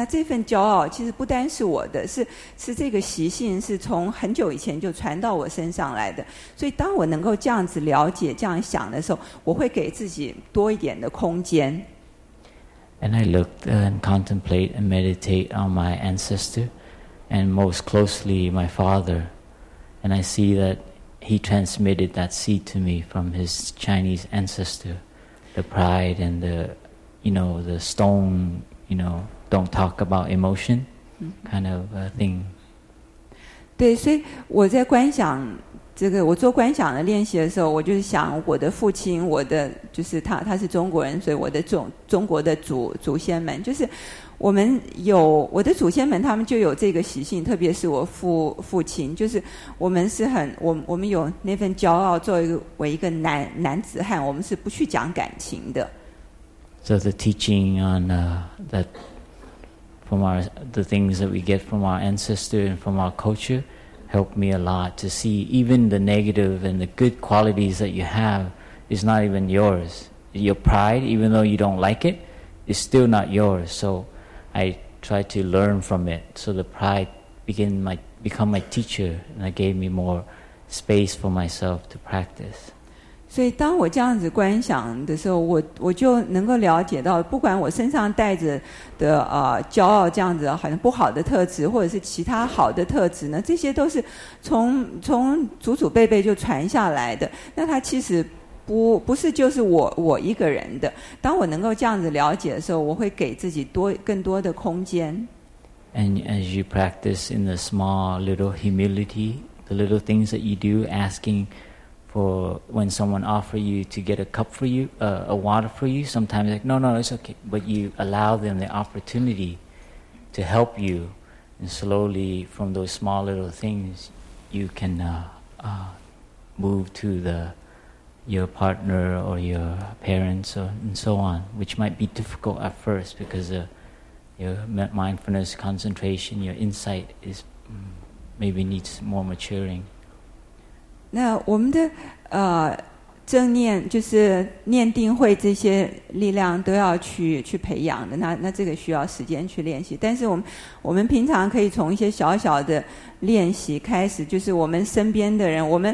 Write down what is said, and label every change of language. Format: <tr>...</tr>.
<zh>那这份骄傲其实不单是我的，是这个习性是从很久以前就传到我身上来的。所以当我能够这样子了解、这样想的时候，我会给自己多一点的空间。</zh> <en>And I looked and contemplate and meditate on my ancestor, and most closely my father, and I see that he transmitted that seed to me from his Chinese ancestor, the pride and the you know, the stone, you know, don't talk about emotion kind of a thing.</en> <zh>对，所以我在观想这个，我做观想的练习的时候，我就是想我的父亲，我的就是他是中国人，所以我的中国的祖先们，就是我们有我的祖先们，他们就有这个习性，特别是我父亲，就是我们是很我们有那份骄傲，作为一个男子汉，我们是不去讲感情的。</zh> <en>So the teaching on that from the things that we get from our ancestor and from our culture helped me a lot to see even the negative and the good qualities that you have is not even yours. Your pride, even though you don't like it, is still not yours. So I tried to learn from it. So the pride became my teacher, and it gave me more space for myself to practice.</en> <zh>所以当我这样子观想的时候，我就能够了解到，不管我身上带着的骄傲这样子好像不好的特质，或者是其他好的特质呢，这些都是从祖祖辈辈就传下来的，那它其实不是就是我一个人的。当我能够这样子了解的时候，我会给自己更多的空间。</zh> <en>And as you practice in the small little humility, the little things that you do, askingfor when someone offers you to get a cup for you, a water for you, sometimes like, no, it's okay. But you allow them the opportunity to help you, and slowly from those small little things, you can move to your partner or your parents and so on, which might be difficult at first because your mindfulness, concentration, your insight is maybe needs more maturing.</en> <zh>那我们的正念就是念定慧这些力量都要去培养的，那这个需要时间去练习，但是我们平常可以从一些小小的练习开始，就是我们身边的人，</zh>